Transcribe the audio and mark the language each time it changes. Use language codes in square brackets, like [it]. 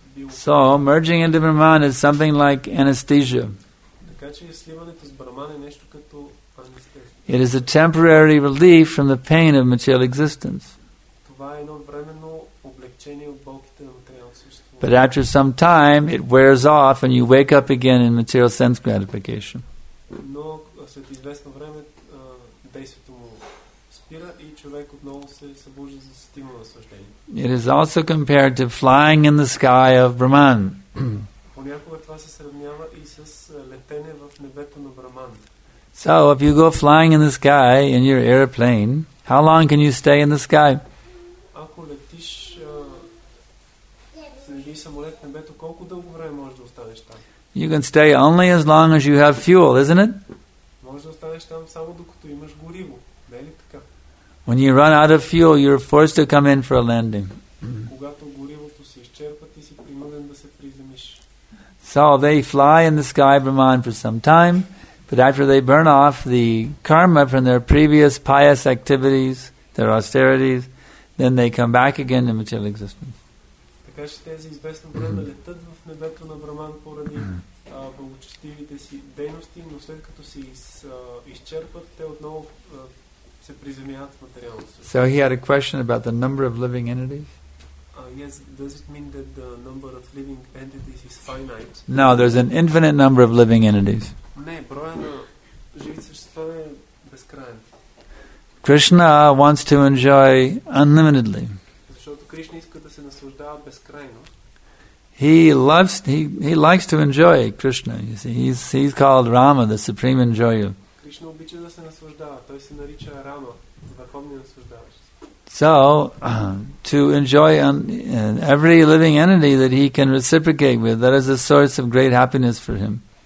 [en] So, merging into Brahman is something like anesthesia. It is a temporary relief from the pain of material existence. [bg] Това е едно временно облекчение от болките на материалното съществуване. [en] But after some time, it wears off and you wake up again in material sense gratification. [bg] Но след известно време действието му спира и човек отново се събужда за стимула съждение. [en] It is also compared to flying in the sky of Brahman. [bg] Понякога това се сравнява и с летене в небето на Брахман. [en] So if you go flying in the sky in your airplane, how long can you stay in the sky? [bg] Ако летиш с самолет в небето, колко дълго време можеш да останеш там? [en] You can stay only as long as you have fuel, isn't it? [bg] Можеш да останеш там само докато имаш гориво, не ли така? [en] When you run out of fuel, you're forced to come in for a landing. [bg] Когато горивото се изчерпа, ти си принуден да се приземиш. [en] So they fly in the sky, Brahman, for some time, but after they burn off the karma from their previous pious activities, their austerities, then they come back again to material existence. [bg] Така че тези известно време летат в небето на Брахман поради благочестивите си дейности, но след като се изчерпат, те отново се приземяват в материалното. [en] So he had a question about the number of living entities. Yes, does it mean that the number of living entities is finite? No, there's an infinite number of living entities. [bg] Не, броят на живи същества е безкраен. [en] Krishna wants to enjoy unlimitedly. [bg] Защото Кришна иска да се наслаждава безкрайно. [en] He likes to enjoy Krishna. You see, he's called Rama, the supreme enjoyer. [bg] Кришна обича да се наслаждава. Той се нарича Рама, върховният наслаждаващ. [en] So, to enjoy every living entity that he can reciprocate with, that is a source of great happiness for him.